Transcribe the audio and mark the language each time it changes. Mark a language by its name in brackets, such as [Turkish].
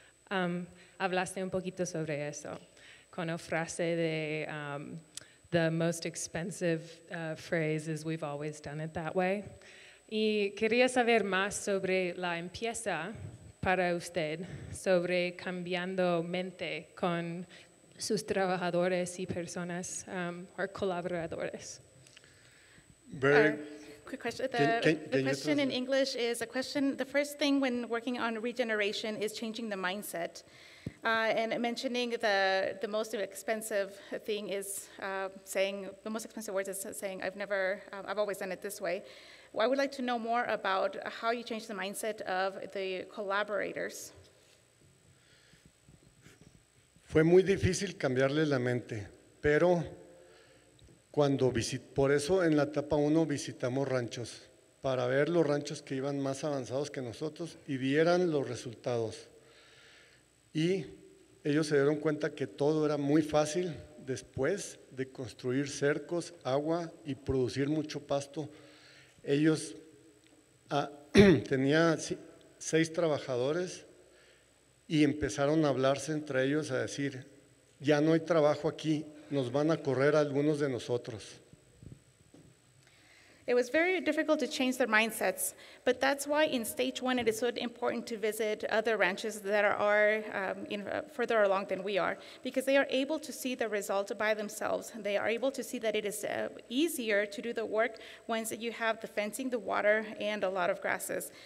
[Spanish] Hablaste un poquito sobre eso, con la frase de [English] the most expensive phrase is we've always done it that way. [Spanish] Y quería saber más sobre la empieza para usted sobre cambiando mente con sus trabajadores y personas o colaboradores. [English] Quick question. The question in English is a question. The first thing when working on regeneration is changing the mindset. And mentioning the most expensive thing is saying, the most expensive words is saying, I've always done it this way. Well, I would like to know more about how you change the mindset of the collaborators. [Spanish] Fue muy difícil cambiarle la mente, pero cuando por eso en la etapa 1 visitamos ranchos, para ver los ranchos que iban más avanzados que nosotros y vieran los resultados. Y ellos se dieron cuenta que todo era muy fácil después de construir cercos, agua y producir mucho pasto. Ellos tenían 6 trabajadores y empezaron a hablarse entre ellos a decir, ya no hay trabajo aquí, nos van a correr algunos de nosotros. [English] It was very difficult to change their mindsets, but that's why in stage 1 it is so important to visit other ranches that are further along than we are, because they are able to see the result by themselves. They are able to see that it is easier to do the work once you have the fencing, the water, and a lot of grasses.